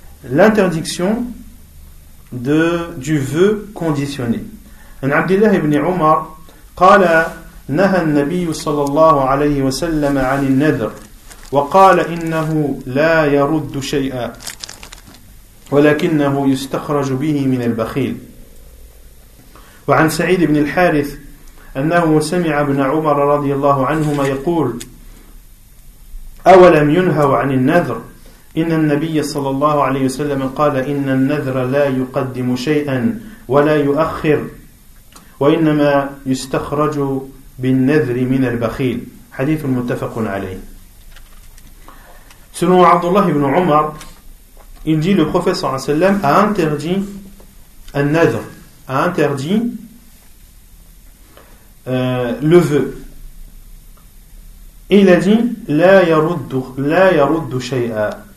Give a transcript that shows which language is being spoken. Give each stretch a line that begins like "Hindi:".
French: L'interdiction du vœu conditionné.
Arabic: An Abdillah ibn Umar قال نهى النبي صلى الله عليه وسلم عن النذر وقال إنه لا يرد شيئا ولكنه يستخرج به من البخيل. وعن سعيد بن الحارث أنه سمع ابن عمر رضي الله عنهما يقول أولم ينهوا عن النذر إن النبي صلى الله عليه وسلم قال إن النذر لا يقدم شيئا ولا يؤخر وإنما يستخرج بالنذر من البخيل. حديث متفق عليه.
French: Selon Abdullah ibn Umar, il dit le prophète
Arabic: صلى الله عليه وسلم
French: a interdit un nadr, a interdit le vœu. Et il a dit
Arabic: لا يرد شيئا.